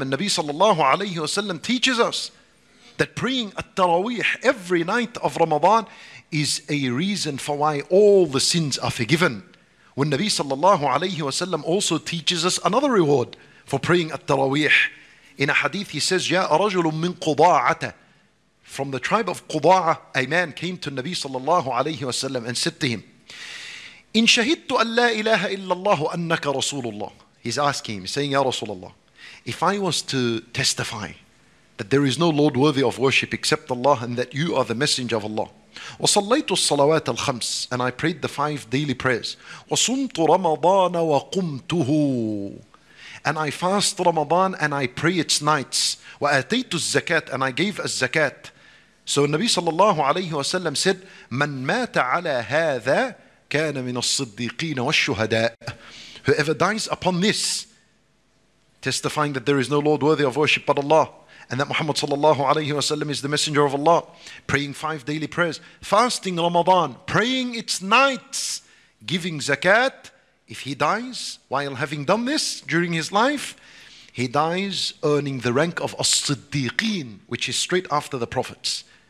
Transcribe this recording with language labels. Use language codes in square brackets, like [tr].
[en] And Nabi sallallahu alayhi wa sallam teaches us that praying at-taraweeh every night of Ramadan is a reason for why all the sins are forgiven. When Nabi sallallahu alayhi wa sallam also teaches us another reward for praying at Taraweeh. In a hadith he says, [ar] Ya rajulun min Quda'ata. [en] From the tribe of Quda'a, a man came to Nabi sallallahu alayhi wa sallam and said to him, [ar] إن شهدت أن لا إله إلا الله أنك رسول الله. [en] He's asking him, saying, [ar] يا رسول الله, [en] if I was to testify that there is no Lord worthy of worship except Allah and that you are the messenger of Allah. [ar] وصليت الصلوات الخمس, [en] and I prayed the five daily prayers. [ar] وصمت رمضان وقمته, [en] and I fast Ramadan and I pray its nights. [ar] وآتيت الزكاة, [en] and I gave a zakat. So [ar] النبي صلى الله عليه وسلم said, من مات على هذا كان من الصديقين والشهداء. [en] Whoever dies upon this, testifying that there is no Lord worthy of worship but Allah, and that Muhammad sallallahu alayhi wa sallam is the messenger of Allah, praying five daily prayers, fasting Ramadan, praying its nights, giving zakat, if he dies while having done this during his life, he dies earning the rank of as-siddiqeen, which is straight after the prophets.